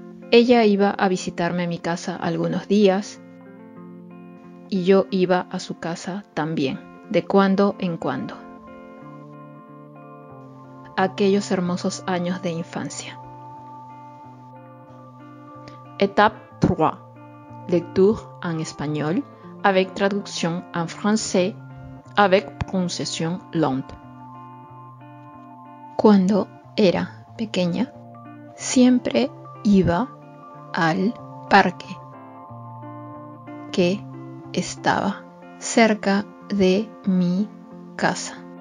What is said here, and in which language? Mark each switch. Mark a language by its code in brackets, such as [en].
[es] Ella iba a visitarme a mi casa algunos días y yo iba a su casa también, de cuando en cuando. Aquellos hermosos años de infancia. [fr] Étape 3. Lecture en español avec traducción en français avec prononciation lente. [es] Cuando era pequeña, siempre iba al parque que estaba cerca de mi casa.